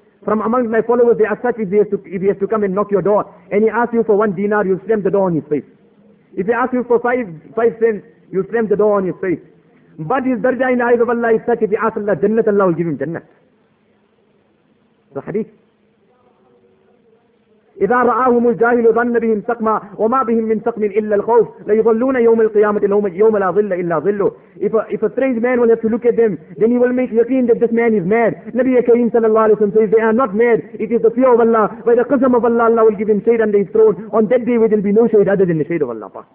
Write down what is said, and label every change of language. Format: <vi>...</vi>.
<en>From among my followers, they are such, if he has to come and knock your door, and he asks you for one dinar, you slam the door on his face. If he asks you for five cents, you slam the door on his face. But his darja in the eyes of Allah is such, if he asks Allah, jannat, Allah will give him jannat. The hadith.</en> <ar>إذا رآهم الجاهل ظن بهم سقما وما بهم من سقم إلا الخوف ليظلون يوم القيامة يوم لا ظل إلا ظله.</ar> <en>If a strange man will have to look at them, then he will make yakin that this man is mad. Nabi Kareem sallallahu alayhi wa sallam says, they are not mad. It is the fear of Allah. By the qism of Allah, Allah will give him shade under his throne. On that day, there will be no shade other than the shade of Allah.</en>